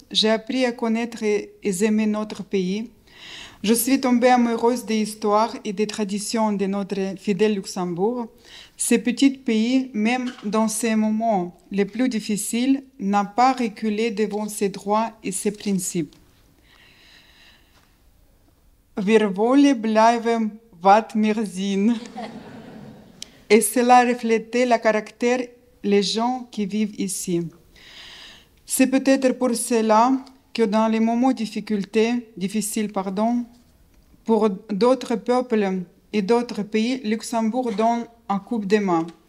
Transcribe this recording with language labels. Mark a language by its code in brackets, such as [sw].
[fr] J'ai appris à connaître et aimer notre pays. Je suis tombée amoureuse des histoires et des traditions de notre fidèle Luxembourg. Ce petit pays, même dans ses moments les plus difficiles, n'a pas reculé devant ses droits et ses principes. [de] Wir wollen bleiben, was wir sind. [fr] Et cela reflétait le caractère des gens qui vivent ici. C'est peut-être pour cela que dans les moments difficiles, pour d'autres peuples et d'autres pays, Luxembourg donne un coup de main.